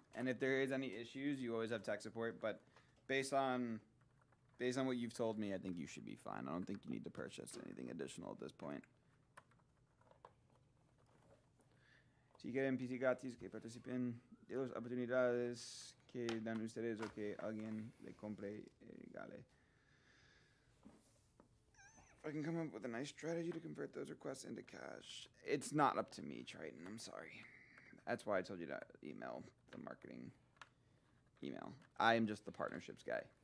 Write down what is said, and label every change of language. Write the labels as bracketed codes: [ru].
[en] And if there is any issues, you always have tech support. But based on what you've told me, I think you should be fine. I don't think you need to purchase anything additional at this point. [es] Si quieren PC gratis que participen de las oportunidades que dan ustedes o que alguien le compre y regale. [en] I can come up with a nice strategy to convert those requests into cash. It's not up to me, Triton. I'm sorry. That's why I told you to email the marketing email. I am just the partnerships guy.